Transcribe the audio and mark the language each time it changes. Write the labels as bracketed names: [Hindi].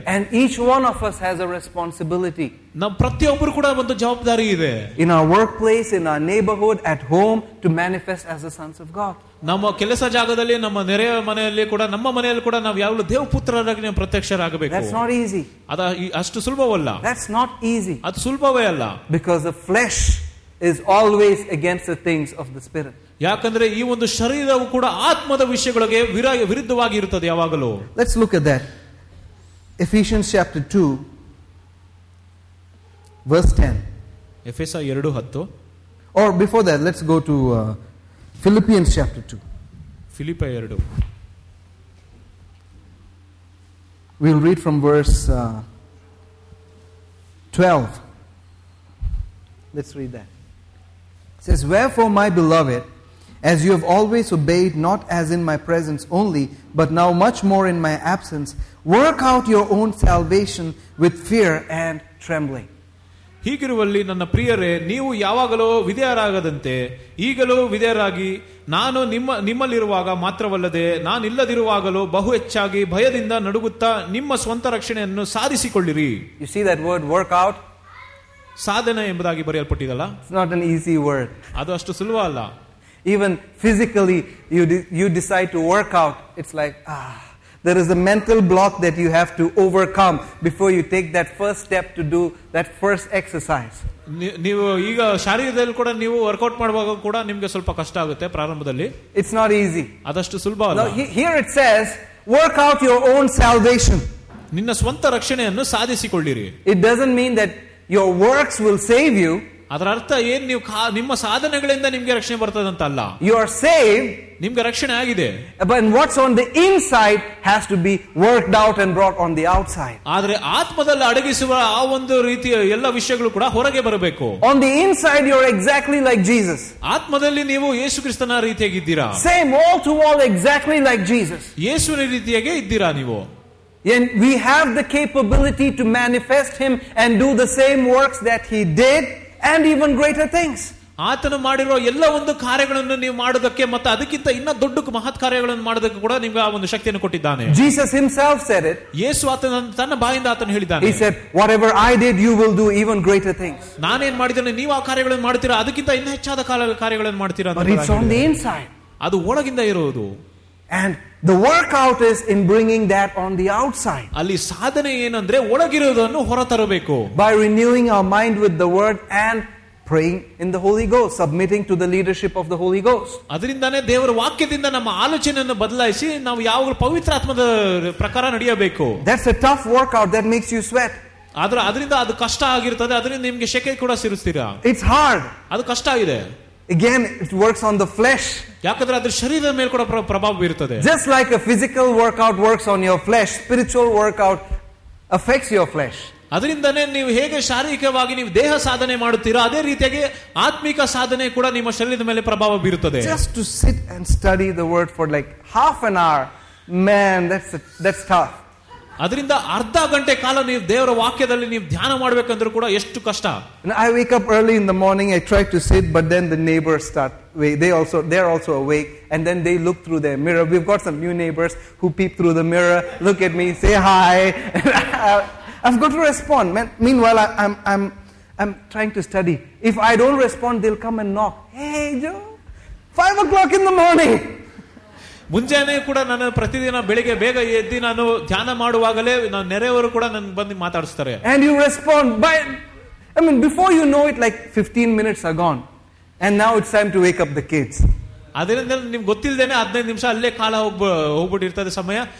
[English] and each one of us has a responsibility, [Kannada] ನಮ್ಮ ಪ್ರತಿಯೊಬ್ಬರು ಕೂಡ ಒಂದು ಜವಾಬ್ದಾರಿ ಇದೆ. [English] In our work place, in our neighbourhood, at home, to manifest as a sons of God. [Kannada] ನಮ್ಮ ಕೆಲಸ ಜಾಗದಲ್ಲಿ, ನಮ್ಮ ನೆರೆಯ ಮನೆಯಲ್ಲಿ ಕೂಡ, ನಮ್ಮ ಮನೆಯಲ್ಲಿ ಕೂಡ ನಾವು ಯಾವಾಗಲೂ ದೇವಪುತ್ರರಾಗಿ ನಮ್ಮ ಪ್ರತ್ಯಕ್ಷರಾಗಬೇಕು. [English] That's not easy. [Kannada] ಅದ ಅಷ್ಟು ಸುಲಭವಲ್ಲ. [English] That's not easy. [Kannada] ಅದು ಸುಲಭವೇ ಅಲ್ಲ. [English] Because the flesh is always against the things of the spirit. [Kannada] ಯಾಕಂದ್ರೆ ಈ ಒಂದು ಶರೀರವು ಕೂಡ ಆತ್ಮದ ವಿಷಯಗಳಿಗೆ ವಿರುದ್ಧವಾಗಿ ಇರುತ್ತದೆ ಯಾವಾಗಲೂ. [English] Let's look at that. Ephesians chapter 2 verse 10. [Kannada] ಎಫೆಸ 2:10. [English] Or before that, let's go to Philippians chapter 2. Philippians 2. We'll read from verse 12. Let's read that. It says, "Wherefore, my beloved, as you have always obeyed, not as in my presence only, but now much more in my absence, work out your own salvation with fear and trembling." [Kannada] ಹೀಗಿರುವಲ್ಲಿ ನನ್ನ ಪ್ರಿಯರೇ, ನೀವು ಯಾವಾಗಲೂ ವಿಧೇಯರಾಗದಂತೆ ಈಗಲೂ ವಿಧೇಯರಾಗಿ ನಾನು ನಿಮ್ಮಲ್ಲಿರುವಾಗ ಮಾತ್ರವಲ್ಲದೆ ನಾನಿಲ್ಲದಿರುವಾಗಲೂ ಬಹು ಹೆಚ್ಚಾಗಿ ಭಯದಿಂದ ನಡುಗುತ್ತಾ ನಿಮ್ಮ ಸ್ವಂತ ರಕ್ಷಣೆಯನ್ನು ಸಾಧಿಸಿಕೊಳ್ಳಿರಿ. [English] you see that word work out, [Kannada] ಸಾಧನೆ ಎಂಬುದಾಗಿ ಬರೆಯಲ್ಪಟ್ಟಿದಲ್ಲ, [English] it's not an easy word, [Kannada] ಅದು ಅಷ್ಟು ಸುಲಭ ಅಲ್ಲ. [English] Even physically you decide to work out, it's like there is a mental block that you have to overcome before you take that first step to do that first exercise. [Kannada] ನೀವು ಈಗ ಶಾರೀರಿಕದಲ್ಲಿ ಕೂಡ ನೀವು workout ಮಾಡುವಾಗ ಕೂಡ ನಿಮಗೆ ಸ್ವಲ್ಪ ಕಷ್ಟ ಆಗುತ್ತೆ ಪ್ರಾರಂಭದಲ್ಲಿ. [English] It's not easy. [Kannada] ಅದಷ್ಟು ಸುಲಭ ಅಲ್ಲ. [English] Now here it says, work out your own salvation. [Kannada] ನಿಮ್ಮ ಸ್ವಂತ ರಕ್ಷಣೆಯನ್ನು ಸಾಧಿಸಿಕೊಳ್ಳಿರಿ. [English] It doesn't mean that your works will save you. [Kannada] ಅದರ ಅರ್ಥ ಏನು, ನೀವು ನಿಮ್ಮ ಸಾಧನೆಗಳಿಂದ ನಿಮಗೆ ರಕ್ಷಣೆ ಬರ್ತದೆ ಅಂತ ಅಲ್ಲ. [English] you are save, [Kannada] ನಿಮಗೆ ರಕ್ಷಣೆ ಆಗಿದೆ. [English] But what's on the inside has to be worked out and brought on the outside. [Kannada] ಆದ್ರೆ ಆತ್ಮದಲ್ಲಿ ಅಡಗಿಸುವ ಆ ಒಂದು ರೀತಿಯ ಎಲ್ಲ ವಿಷಯಗಳು ಕೂಡ ಹೊರಗೆ ಬರಬೇಕು. [English] on the inside you are exactly like Jesus, [Kannada] ಆತ್ಮದಲ್ಲಿ ನೀವು ಯೇಸು ಕ್ರಿಸ್ತನ ರೀತಿಯಾಗಿ ಇದ್ದೀರಾ. [English] same all to all exactly like Jesus, [Kannada] ಯೇಸುವಿನ ರೀತಿಯಾಗಿ ಇದ್ದೀರಾ ನೀವು. [English] And we have the capability to manifest him and do the same works that he did and even greater things. [Kannada] ಆತನು ಮಾಡಿರುವ ಎಲ್ಲ ಒಂದು ಕಾರ್ಯಗಳನ್ನು ನೀವು ಮಾಡೋದಕ್ಕೆ ಮತ್ತೆ ಅದಕ್ಕಿಂತ ಇನ್ನ ದೊಡ್ಡ ಮಹತ್ ಕಾರ್ಯಗಳನ್ನು ಮಾಡೋದಕ್ಕೆ ಕೂಡ ನಿಮ್ಗೆ ಆ ಒಂದು ಶಕ್ತಿಯನ್ನು ಕೊಟ್ಟಿದ್ದಾನೆ. [English] Jesus himself said it. [Kannada] ಯೇಸು ತನ್ನ ಬಾಯಿಂದ ಆತನು ಹೇಳಿದ್ದಾನೆ. [English] He said, whatever I did, you will do even greater things. [Kannada] ನಾನೇನ್ ಮಾಡಿದ್ದೇನೆ ನೀವು ಆ ಕಾರ್ಯಗಳನ್ನು ಮಾಡ್ತೀರಾ ಅದಕ್ಕಿಂತ ಇನ್ನೂ ಹೆಚ್ಚಾದ ಕಾರ್ಯಗಳನ್ನು ಮಾಡ್ತೀರಾ. [English] But it's on the inside. [Kannada] ಅದು ಒಳಗಿಂದ ಇರುವುದು. [English] And the workout is in bringing that on the outside. [Kannada] ಅಲ್ಲಿ ಸಾಧನೆ ಏನಂದ್ರೆ ಒಳಗಿರುವುದನ್ನು ಹೊರತರಬೇಕು. [English] By renewing our mind with the word and praying in the Holy Ghost, submitting to the leadership of the Holy Ghost. [Kannada] ಅದರಿಂದಾನೆ ದೇವರ ವಾಕ್ಯದಿಂದ ನಮ್ಮ ಆಲೋಚನೆಯನ್ನು ಬದಲಾಯಿಸಿ ನಾವು ಯಾವಾಗಲೂ ಪವಿತ್ರಾತ್ಮದ ಪ್ರಕಾರ ನಡೆಯಬೇಕು. [English] That's a tough workout that makes you sweat. [Kannada] ಆದ್ರೆ ಅದರಿಂದ ಅದು ಕಷ್ಟ ಆಗಿರುತ್ತದೆ, ಅದರಿಂದ ನಿಮಗೆ ಶೆಕೆ ಕೂಡ ಸಿರುತ್ತೀರಾ. [English] It's hard. [Kannada] ಅದು ಕಷ್ಟ ಆಗಿದೆ. [English] Again, it works on the flesh. [Kannada] ಯಾಕಂದ್ರೆ ಅದರ ಶರೀರದ ಮೇಲೆ ಕೂಡ ಪ್ರಭಾವ ಬೀರುತ್ತದೆ. [English] Just like a physical workout works on your flesh, spiritual workout affects your flesh. [Kannada] ಅದರಿಂದಾನೇ ನೀವು ಹೇಗೆ ಶಾರೀರಿಕವಾಗಿ ನೀವು ದೇಹ ಸಾಧನೆ ಮಾಡುತ್ತೀರಾ ಅದೇ ರೀತಿಯಾಗಿ ಆತ್ಮಿಕ ಸಾಧನೆ ಕೂಡ ನಿಮ್ಮ ಶರೀರದ ಮೇಲೆ ಪ್ರಭಾವ ಬೀರುತ್ತದೆ. [English] Just to sit and study the word for like half an hour, man, that's tough. [Kannada] ಅದರಿಂದ ಅರ್ಧ ಗಂಟೆ ಕಾಲ ನೀವು ದೇವರ ವಾಕ್ಯದಲ್ಲಿ ನೀವು ಧ್ಯಾನ ಮಾಡಬೇಕಂದ್ರೆ ಕೂಡ ಎಷ್ಟು ಕಷ್ಟ. [English] I wake up early in the morning, I try to sit, but then the neighbors start, they're also awake, and then they look through their mirror. We've got some new neighbors who peep through the mirror, look at me, say hi. I've got to respond. Meanwhile, I'm trying to study. If I don't respond, they'll come and knock. Hey, Joe, 5 o'clock in the morning. [Kannada] ಮುಂಜಾನೆ ಕೂಡ ನನ್ನ ಪ್ರತಿದಿನ ಬೆಳಿಗ್ಗೆ ಬೇಗ ಎದ್ದು ನಾನು ಧ್ಯಾನ ಮಾಡುವಾಗಲೇ ನನ್ನ ನೆರೆಯವರು ಕೂಡ ನನ್ನ ಬಂದು ಮಾತಾಡಿಸ್ತಾರೆ. [English] And you respond by, I mean before you know it, like 15 minutes are gone. And now it's time to wake up the kids. [Kannada] ಅದರಿಂದ ನಿಮ್ಗೆ ಗೊತ್ತಿಲ್ಲದೇನೆ 15 ನಿಮಿಷ ಅಲ್ಲೇ ಕಾಲ ಹೋಗ್ಬಿಟ್ಟಿರ್ತದೆ ಸಮಯ.